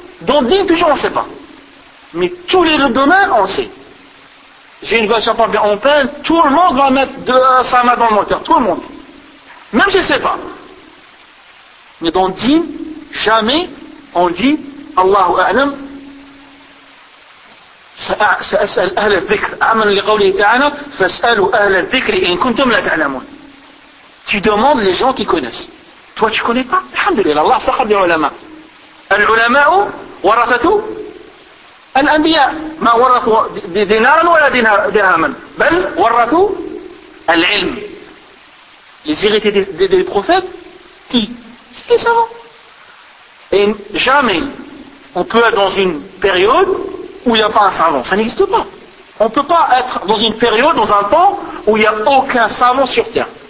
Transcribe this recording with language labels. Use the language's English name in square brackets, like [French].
[French] Dans le dîn, toujours on ne sait pas. Mais tous les domaines, on sait. J'ai une voiture pas bien en peine, tout le monde va mettre sa main dans le moteur. Tout le monde. Même je ne sais pas. Mais dans le dîn, jamais on dit Allahu a'lam. [Arabic] سأسأل أهل الذكر أمن لقوله تعالى فاسألوا أهل الذكر إن كنتم لا تعلمون. [French] Tu demandes les gens qui connaissent. Toi tu connais pas. Alhamdulillah, Allah sakhar des ulama. [Arabic] العلماء ورثوا الأنبياء ما ورثوا دينارا ولا درهما بل ورثوا العلم. [French] Les héritiers des prophètes qui c'est les savants. Et jamais on peut être dans une période où il n'y a pas un savant, ça n'existe pas. On ne peut pas être dans une période, dans un temps, où il n'y a aucun savant sur terre.